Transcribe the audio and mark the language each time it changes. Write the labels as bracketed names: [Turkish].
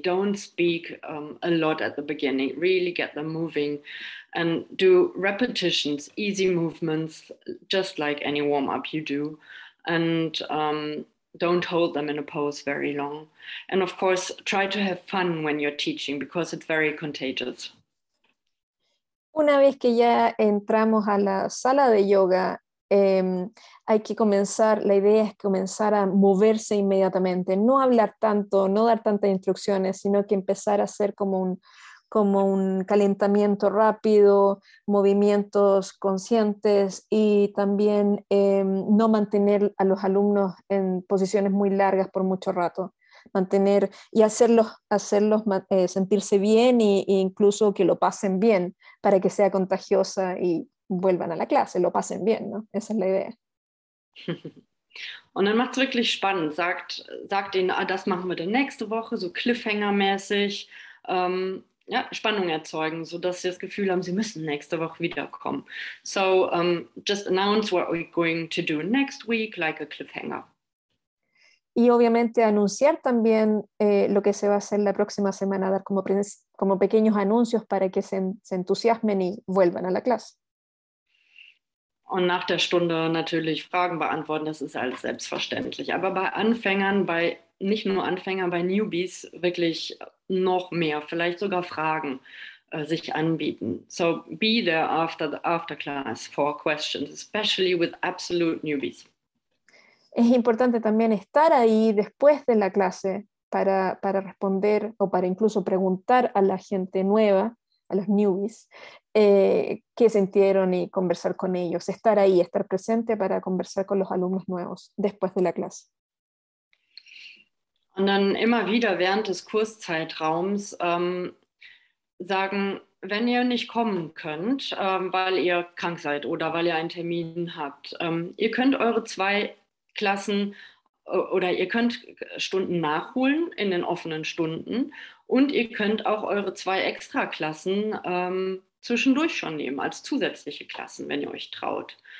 [English] Don't speak a lot at the beginning. Really get them moving and do repetitions, easy movements, just like any warm-up you do. and don't hold them in a pose very long. And of course, try to have fun when you're teaching because it's very contagious. [Spanish] Una vez que ya entramos a la sala de yoga, hay que comenzar, la idea es comenzar a moverse inmediatamente, no hablar tanto, no dar tantas instrucciones, sino que empezar a hacer como un calentamiento rápido, movimientos conscientes y también no mantener a los alumnos en posiciones muy largas por mucho rato. Mantener y hacerlos sentirse bien e incluso que lo pasen bien para que sea contagiosa y vuelvan a la clase, lo pasen bien, ¿no? Esa es la idea. [German] Und dann macht's wirklich spannend, sagt ihnen, ah, das machen wir dann nächste Woche, so cliffhanger-mäßig, ja, Spannung erzeugen, sodass sie das Gefühl haben, sie müssen nächste Woche wiederkommen. [English] So, just announce what we're going to do next week, like a cliffhanger. [Spanish] Y obviamente anunciar también lo que se va a hacer la próxima semana, dar como pequeños anuncios para que se entusiasmen y vuelvan a la clase. [German] Und nach der Stunde natürlich Fragen beantworten, das ist alles selbstverständlich. Aber bei Anfängern, bei nicht nur Anfängern, bei Newbies wirklich noch mehr, vielleicht sogar Fragen sich anbieten. [English] So be there after class for questions, especially with absolute newbies. [Spanish] Es importante también estar ahí después de la clase para responder o para incluso preguntar a la gente nueva, a los newbies, qué sintieron y conversar con ellos. Estar ahí, estar presente para conversar con los alumnos nuevos después de la clase. [German] Und dann immer wieder während des Kurszeitraums sagen, wenn ihr nicht kommen könnt, weil ihr krank seid oder weil ihr einen Termin habt, ihr könnt eure zwei Klassen oder ihr könnt Stunden nachholen in den offenen Stunden und ihr könnt auch eure zwei Extraklassen zwischendurch schon nehmen als zusätzliche Klassen, wenn ihr euch traut.